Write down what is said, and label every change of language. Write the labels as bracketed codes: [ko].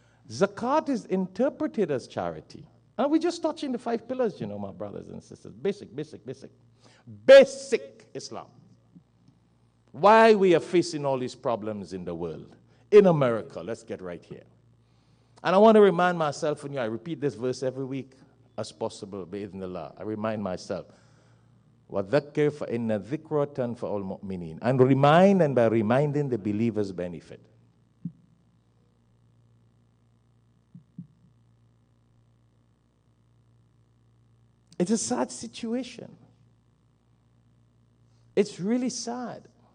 [en] Zakat is interpreted as charity. And we're just touching the five pillars, you know, my brothers and sisters. Basic. Basic Islam. Why we are facing all these problems in the world, in America. Let's get right here. And I want to remind myself, and you know, I repeat this verse every week as possible, bi'idhnillah. I remind myself, [ar] وَذَكِّرْ فَإِنَّ ذِكْرَ تَنْفَ الْمُؤْمِنِينَ. [en] And remind, and by reminding, the believers benefit. It's a sad situation. It's really sad.